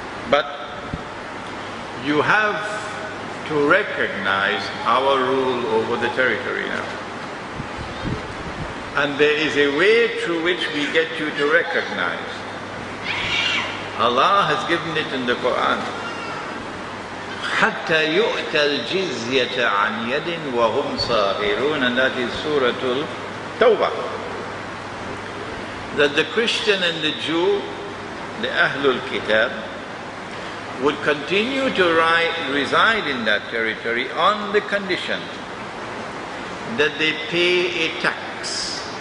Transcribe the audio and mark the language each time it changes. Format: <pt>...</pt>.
<en>But you have to recognize our rule over the territory now. And there is a way through which we get you to recognize. Allah has given it in the Quran.</en> <ar>حَتَّى يُؤْتَى الْجِزْيَةَ عَنْ يَدٍ وَهُمْ صَاغِرُونَ.</ar> <en>And that is Suratul Tawbah. that the Christian and the Jew, the Ahlul Kitab, would continue to reside in that territory on the condition that they pay a tax.</en>